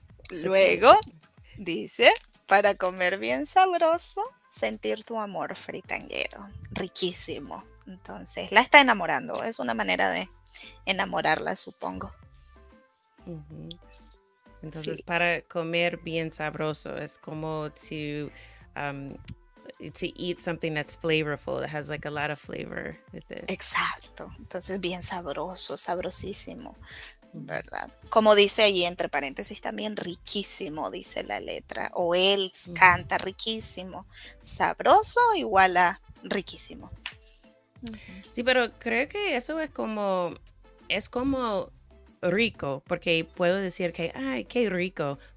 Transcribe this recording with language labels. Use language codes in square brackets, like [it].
[es] Luego dice, para comer bien sabroso, sentir tu amor fritanguero, riquísimo. Entonces la está enamorando, es una manera de enamorarla, supongo. Entonces sí. Para comer bien sabroso es como [en] to eat something that's flavorful, that has like a lot of flavor with it. [es] Exacto. Entonces bien sabroso, sabrosísimo. ¿Verdad? Como dice allí entre paréntesis también, riquísimo, dice la letra. O él canta riquísimo. Sabroso igual a riquísimo. Sí, pero creo que eso es como rico, porque puedo decir que, ay, qué rico.